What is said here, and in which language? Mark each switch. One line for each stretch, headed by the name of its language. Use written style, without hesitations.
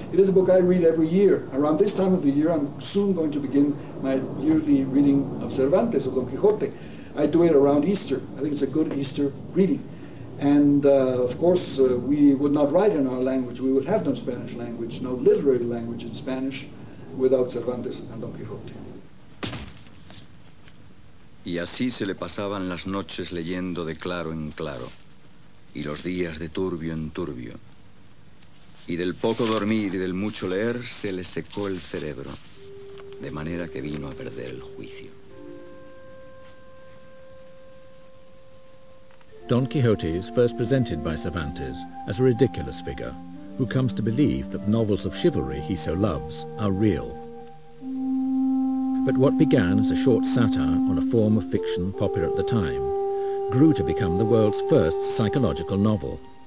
English: It is a book I read every year. Around this time of the year, I'm soon going to begin my yearly reading of Cervantes, of Don Quixote. I do it around Easter. I think it's a good Easter reading. And of course, we would not write in our language. We would have no Spanish language, no literary language in Spanish without Cervantes and Don Quixote.
Spanish: Y así se le pasaban las noches leyendo de claro en claro, y los días de turbio en turbio. Y del poco dormir y del mucho leer se le secó el cerebro, de manera que vino a perder el juicio.
English: Don Quixote is first presented by Cervantes as a ridiculous figure, who comes to believe that the novels of chivalry he so loves are real. But what began as a short satire on a form of fiction popular at the time grew to become the world's first psychological novel.